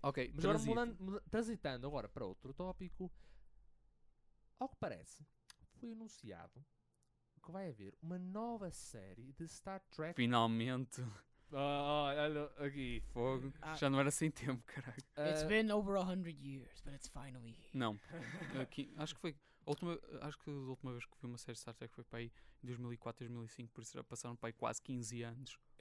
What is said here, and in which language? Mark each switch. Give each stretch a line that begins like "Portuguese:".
Portuguese: okay, mas agora transitando agora para outro tópico. Ao que parece, foi anunciado que vai haver uma nova série de Star Trek. Finalmente! Olha aqui, fogo. Já não era sem tempo, caralho.
English: It's been over 100 years, but it's finally here.
Portuguese: Não. Acho que a última vez que vi uma série de Star Trek foi para aí em 2004, 2005, por isso já passaram para aí quase 15 anos.